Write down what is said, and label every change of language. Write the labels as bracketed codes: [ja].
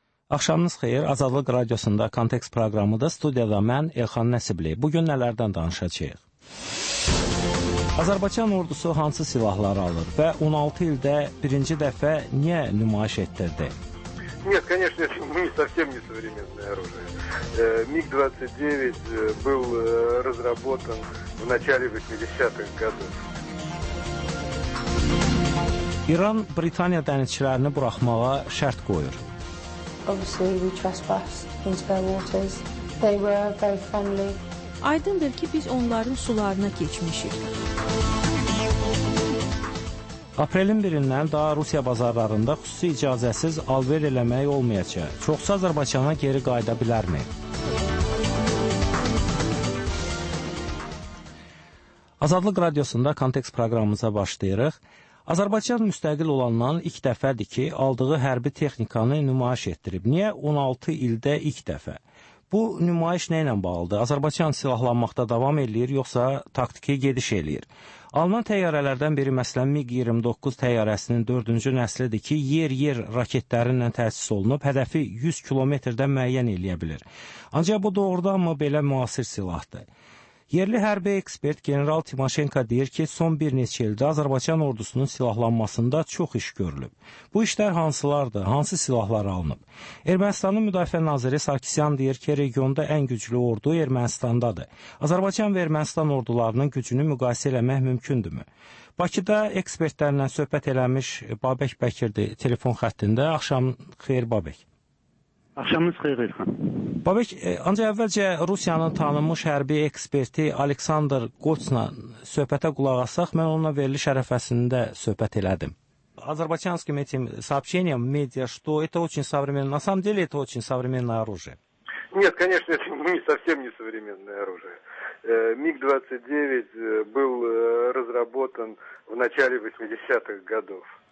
[az] Axşamınız xeyir, Azadlıq Radiosunda Kontekst proqramıdır. Studiyada mən, Elxan Nəsibli. Bugün nələrdən danışacaq? Azərbaycan ordusu hansı silahları alır və 16 ildə birinci dəfə niyə nümayiş etdirdi? [ru] Нет, конечно, это не совсем не современное оружие. МиГ-29 был разработан в начале 80-х годов. [az] İran Britaniya dənizçilərini buraxmağa şərt qoyur. [en] Obviously we trespassed into their waters. They were very friendly. [az] Aydındır ki, biz onların sularına keçmişik. Aprelin 1-dən daha Rusiya bazarlarında xüsusi icazəsiz alver eləmək olmayacaq. Çoxsa Azərbaycana geri qayıda bilərmi? Azadlıq Radiosunda Kontekst proqramımıza başlayırıq. Azərbaycan müstəqil olandan ilk dəfədir ki, aldığı hərbi texnikanı nümayiş etdirib. Niyə 16 ildə ilk dəfə? Bu nümayiş nə ilə bağlıdır? Azərbaycan silahlanmaqda davam eləyir, yoxsa taktiki gediş eləyir? Alman təyyarələrdən biri, məsələn, MiG-29 təyyarəsinin 4-cü nəslidir ki, yer-yer raketlərinlə təsis olunub, hədəfi 100 kilometrdən müəyyən eləyə bilir. Ancaq bu doğrudanmı belə müasir silahdır? Yerli hərbi ekspert General Timoshenko deyir ki, son bir neçə ildə Azərbaycan ordusunun silahlanmasında çox iş görülüb. Bu işlər hansılardır, hansı silahlar alınıb? Ermənistanın müdafiə naziri Sarkisyan deyir ki, regionda ən güclü ordu Ermənistandadır. Azərbaycan və Ermənistan ordularının gücünü müqayisə eləmək mümkündürmü? Bakıda ekspertlərlə söhbət eləmiş Babək Bəkirdi telefon xəttində. Axşam xeyir, Babək. Axşamınız xeyir, Elxan. Babək, ancaq əvvəlcə Rusiyanın tanınmış hərbi eksperti Aleksandr Qoçla söhbətə qulaq asaq, mən onunla veriliş ərəfəsində söhbət elədim. [ru] Azərbaycanskim etim сообщением медиа, что это очень современное, на самом деле это очень современное оружие. Нет, конечно, это не совсем не современное оружие. МиГ-29 был разработан в начале 80-х годов.